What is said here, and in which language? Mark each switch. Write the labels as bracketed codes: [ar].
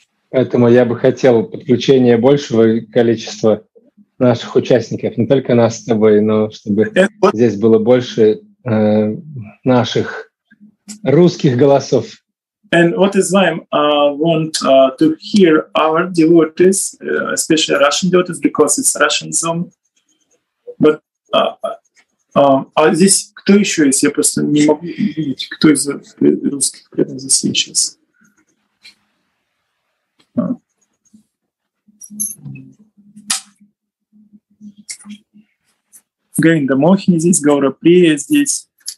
[ru] Поэтому я бы хотел подключения большего количества наших участников, не только нас с тобой, но чтобы здесь было больше наших русских голосов. [en] And what is why I want to hear our devotees, especially Russian devotees, because it's Russian Zoom. [ru] But здесь кто еще есть? Я просто не могу видеть, кто из русских преданных здесь сейчас. Гайнда Мохини здесь, Гаура Прия здесь.